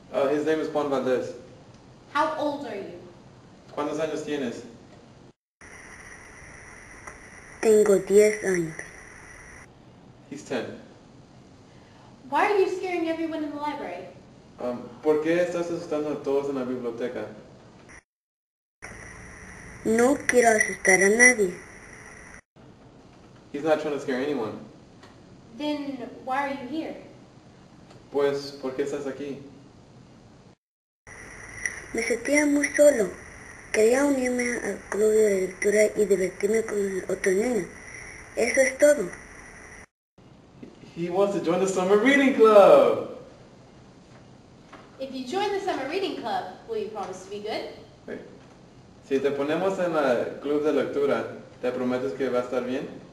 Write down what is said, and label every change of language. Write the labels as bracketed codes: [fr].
[en] His name is Juan Valdez. How old are you? [es] ¿Cuántos años tienes? Tengo 10 años. [en] He's 10. Why are you scaring everyone in the library? [es] ¿Por qué estás asustando a todos en la biblioteca? No quiero asustar a nadie. [en] He's not trying to scare anyone. Then why are you here? [es] Pues, ¿por qué estás aquí? Me sentía muy solo. Quería unirme al club de lectura y divertirme con otro niño. Eso es todo. [en] He wants to join the summer reading club. If you join the summer reading club, will you promise to be good? Wait. [es] Si te ponemos en el club de lectura, ¿te prometes que va a estar bien?